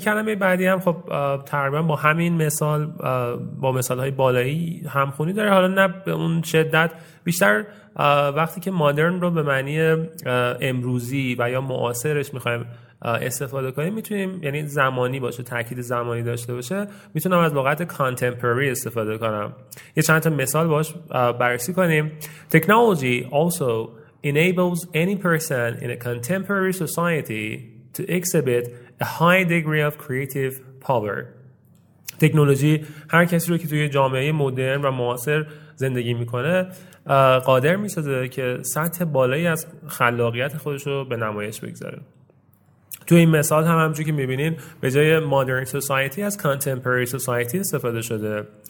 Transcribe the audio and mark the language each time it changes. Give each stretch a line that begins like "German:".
Persian: کلمه بعدی هم خب تقریبا با همین مثال با مثال های بالایی همخونی داره، حالا نه به اون شدت، بیشتر وقتی که مدرن رو به معنی امروزی و یا معاصرش میخوایم استفاده کنیم میتونیم، یعنی زمانی باشه، تاکید زمانی داشته باشه، میتونم از لغت contemporary استفاده کنم. یه چند تا مثال باش بررسی کنیم.
English: Technology also enables any person in a contemporary society to exhibit a high degree of creative power.
Persian: تکنولوژی هر کسی رو که توی جامعه مدرن و معاصر زندگی میکنه قادر میسازه که سطح بالایی از خلاقیت خودش رو به نمایش بگذاره. توی این مثال هم همچون که میبینین به جای modern society از contemporary society استفاده شده.